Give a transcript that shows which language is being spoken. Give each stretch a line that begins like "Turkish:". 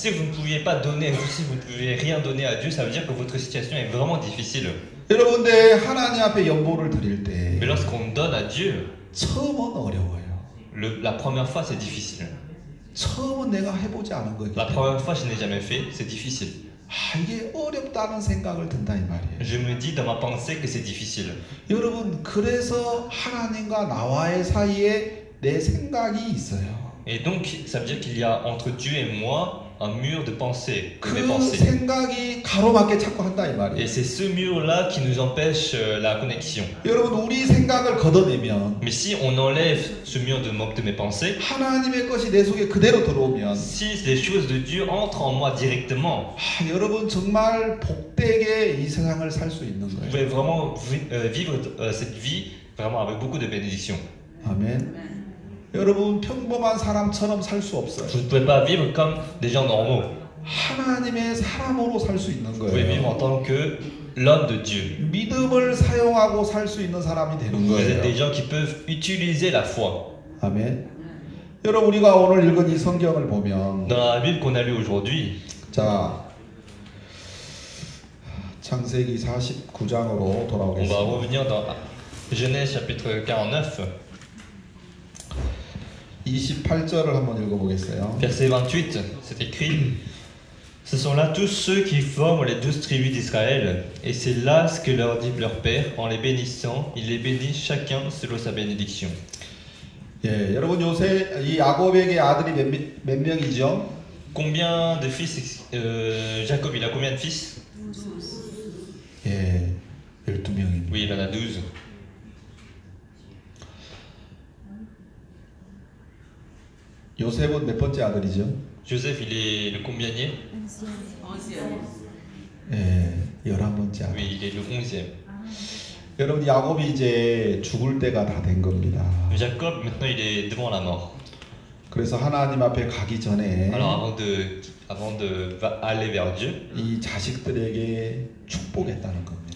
French: Si vous ne pouviez pas donner, ou si vous ne pouviez rien donner à Dieu, ça veut dire que votre situation est vraiment difficile.
Korean: 여러분들 하나님 앞에 연보를 드릴 때,
French: Mais lorsqu'on donne à Dieu,
Korean: 처음은 어려워요.
French: La première fois, c'est difficile.
Korean: 처음은 내가 해보지 않은 거예요.
French: La première fois, je n'ai jamais fait, c'est difficile.
Korean: 아, 이게 어렵다는 생각을 든다 이 말이에요.
French: Je me dis dans ma pensée que c'est difficile.
Korean: 여러분, 그래서 하나님과 나와의 사이에 내 생각이 있어요.
French: Et donc, ça veut dire qu'il y a entre Dieu et moi un mur de pensée.
Korean: 그
French: mes pensées.
Korean: 생각이 가로막게 자꾸 한다 이 말이에요.
French: Et c'est ce mur-là qui nous empêche la connexion.
Korean: 여러분, 우리 생각을 걷어내면.
French: Mais si on enlève ce mur de mes pensées.
Korean: 하나님의 것이 내 속에 그대로 들어오면.
French: Si les choses de Dieu entrent en moi directement.
Korean: 아, 여러분 정말 복되게 이 세상을 살 수 있는 거예요.
French: Vous pouvez vraiment vivre cette vie vraiment avec beaucoup de bénédictions. Amen.
Korean: 여러분 평범한 사람처럼 살 수 없어요.
French: Vous ne pouvez pas vivre comme des gens normaux.
Korean: 하나님의 사람으로 살 수 있는 거예요.
French: Vous pouvez vivre en tant que l'homme de Dieu.
Korean: 믿음을 사용하고 살 수 있는 사람이 되는 거예요.
French: Vous êtes des gens qui peuvent utiliser la foi. Amen.
Korean: 여러분 우리가 오늘 읽은 이 성경을 보면
French: Dans la Bible qu'on a lu aujourd'hui.
Korean: 자, 창세기 49장으로 돌아오겠습니다.
French: On va revenir dans Genèse chapitre 49.
Korean: 28절을 한번 읽어보겠어요.
French: Verset 28, c'est écrit. Ce sont là tous ceux qui forment les 12 tribus d'Israël, et c'est là ce que leur dit leur père en les bénissant. Il les bénit chacun selon sa bénédiction.
Korean: 예, 여러분 요새 이 야곱에게 아들이 몇 명이죠?
French: Combien de fils Jacob, il a combien de fils?
Korean: 예, 12명입니다.
French: Oui, il en a 12.
Korean: 요셉은 몇 번째 아들이죠?
French: 요셉, il est le combien? 11.
Korean: 11. 예, 11번째 아들.
French: Oui, il est le 11e.
Korean: 여러분, 야곱이 이제 죽을 때가 다 된 겁니다.
French: Jacob, maintenant, il est devant la mort.
Korean: 그래서 하나님 앞에 가기 전에
French: Alors, avant de aller vers Dieu,
Korean: 이 자식들에게 축복했다는 겁니다.